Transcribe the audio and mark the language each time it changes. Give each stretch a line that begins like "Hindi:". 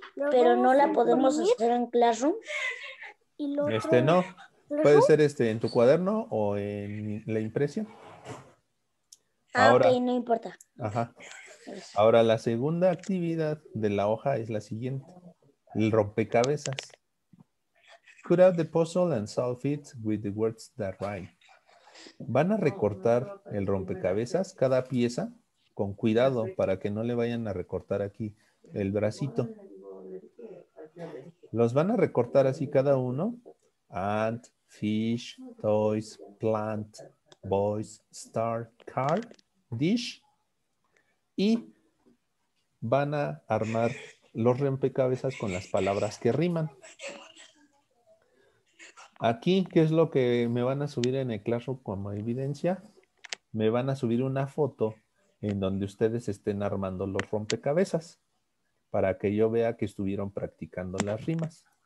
Spanish: Pero no la podemos hacer en Classroom. ¿Y lo otro? Este no. Puede ser este en tu cuaderno o en la impresión. Ah, ahora, ok, no importa. Ajá. Ahora la segunda actividad de la hoja es la siguiente. El rompecabezas.
English: Put out the puzzle and solve it with the words that rhyme.
Spanish: Van a recortar el rompecabezas, cada pieza, con cuidado para que no le vayan a recortar aquí el bracito. Los van a recortar así cada uno.
English: And fish, toys, plant, boys, star, car, dish.
Spanish: Y van a armar los rompecabezas con las palabras que riman. Aquí, ¿qué es lo que me van a subir en el Classroom como evidencia? Me van a subir una foto en donde ustedes estén armando los rompecabezas para que yo vea que estuvieron practicando las rimas.